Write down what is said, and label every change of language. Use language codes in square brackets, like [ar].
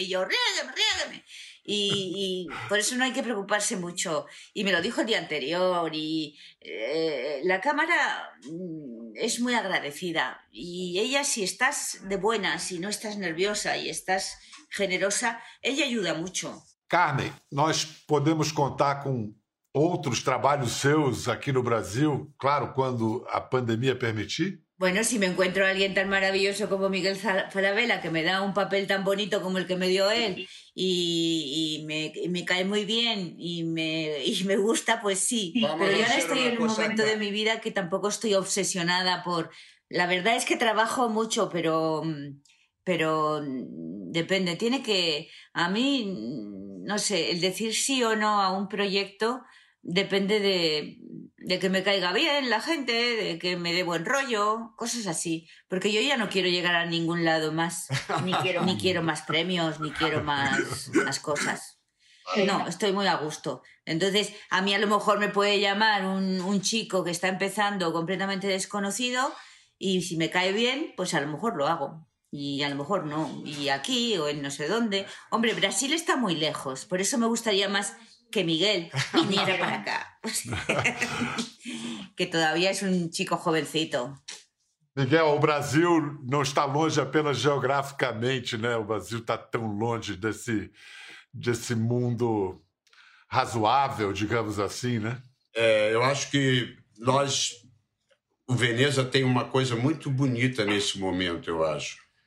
[es] Y yo, ¡riégueme, riégueme! Y por eso no hay que preocuparse mucho. Y me lo dijo el día anterior. Y la cámara es muy agradecida. Y ella, si estás de buena, si no estás nerviosa y estás generosa, ella ayuda mucho. [pt] Carmen, nós podemos contar com outros trabalhos seus aqui no Brasil, claro, quando a pandemia permitir? [es] Bueno, si me encuentro alguien tan maravilloso como Miguel Falabella, que me da un papel tan bonito como el que me dio él, y me cae muy bien y me gusta, pues sí. Vamos. Pero yo ahora estoy en un momento de mi vida que tampoco estoy obsesionada por... La verdad es que trabajo mucho, pero depende. Tiene que... A mí, no sé, el decir sí o no a un proyecto depende de que me caiga bien la gente, de que me dé buen rollo, cosas así. Porque yo ya no quiero llegar a ningún lado más. Ni quiero más premios, ni quiero más cosas. No, estoy muy a gusto. Entonces, a mí a lo mejor me puede llamar un chico que está empezando completamente desconocido y si me cae bien, pues a lo mejor lo hago. Y a lo mejor no. Y aquí o en no sé dónde. Hombre, Brasil está muy lejos. Por eso me gustaría más... que Miguel viniera para acá. Que todavía es un chico jovencito. [pt] Miguel, o Brasil não está longe apenas geograficamente, né? O Brasil está tão longe desse mundo razoável, digamos assim, né? É, eu acho que nós... O Veneza tem uma coisa muito bonita nesse momento, eu acho.